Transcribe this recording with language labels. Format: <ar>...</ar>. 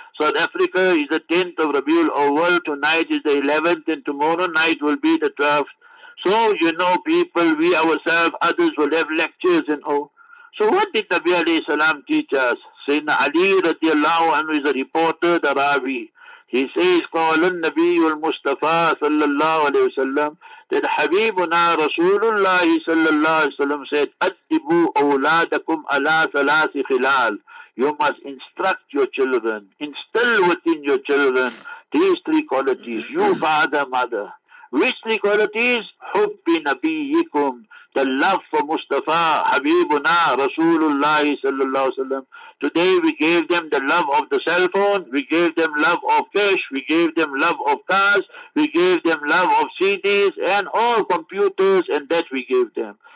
<en>South Africa is the 10th of Rabiul Awwal. Tonight is the 11th and tomorrow night will be the 12th. So you know people, we ourselves, others will have lectures and all. So what did Nabi alayhi salam teach us? Sayyidina Ali radiallahu anhu is a reporter, the Ravi. He says,</en> <ar>قَالَ النَّبِيُّ الْمُصْطَفَىٰ صَلَّى اللَّهُ عَلَيْهِ وَسَلَّمُ</ar> <en>that</en> <ar>حَبِيبُنَا رَسُولُ اللَّهِ صَلَّى اللَّهُ عَلَيْهِ وَسَلَّمُ</ar> <en>said,</en> <ar>أَتِّبُوا أَوْلَادَكُمْ عَلَىٰ ثَلَاثِ خِلَالِ</ar> <en>You must instruct your children, instill within your children these three qualities. You, father, mother. Which three qualities?</en> <ar>Hubbi nabiyikum.</ar> <en>The love for Mustafa, Habibuna, Rasulullah sallallahu alayhi wa sallam. Today we gave them the love of the cell phone, we gave them love of cash, we gave them love of cars, we gave them love of CDs and all computers, and that we gave them.</en>